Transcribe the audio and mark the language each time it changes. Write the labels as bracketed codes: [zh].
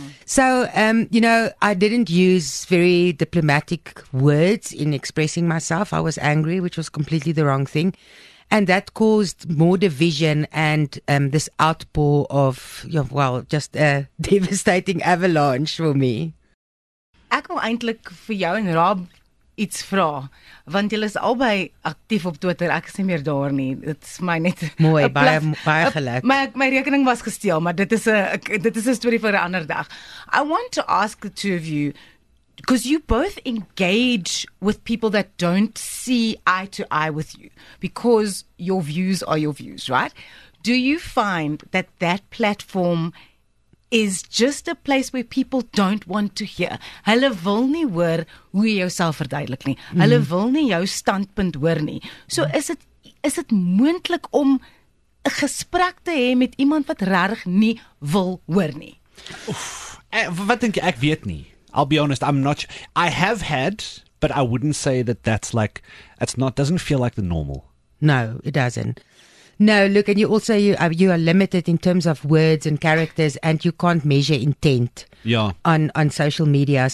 [en] So, you know, I didn't use very diplomatic words in expressing myself. I was angry, which was completely the wrong thing. And that caused more division and this outpour of, you know, well, just a devastating avalanche for me. [af] Ek wil eintlik vir jou en Rob iets vra, want julle is albei aktief op Twitter. Ek is nie meer daar nie. Dit is my net mooi, baie geluk. My rekening was gesteel, maar dit is 'n storie vir 'n ander dag. [en] I want to ask the two of you, because you both engage with people that don't see eye to eye with you, because your views are your views, right? Do you find that that platform is just a place where people don't want to hear? [af] Hulle wil nie hoor hoe jy jouself verduidelik nie. Hulle wil nie jou standpunt hoor nie. So is dit moontlik om 'n gesprek te hê met iemand wat regtig nie wil hoor nie? Wat dink jy? Ek weet nie. [en] I'll be honest, I'm not sure. I have had, but I wouldn't say that that's like, it's not, doesn't feel like the normal. No, it doesn't. No, look, and you also, you are limited in terms of words and characters, and you can't measure intent on social media.